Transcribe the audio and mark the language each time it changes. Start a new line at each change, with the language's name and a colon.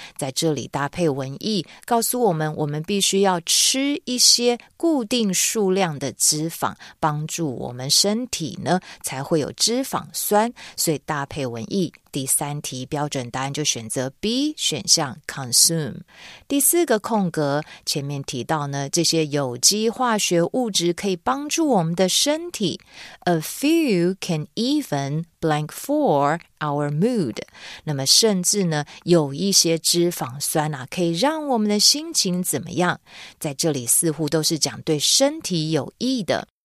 Chinese: 在这里搭配文意，告诉我们我们必须要吃一些固定数量的脂肪，帮助我们身体呢，才会有脂肪酸。所以搭配文意，第三题标准答案就选择 B 选项 consume。第四个空格，前面提到呢，这些有机化学物质可以帮助我们的身体。
English: A few can even blank for our mood。
Chinese: 那么甚至呢，有一些脂肪酸啊，可以让我们的心情怎么样？在这里似乎都是讲对身体有益的。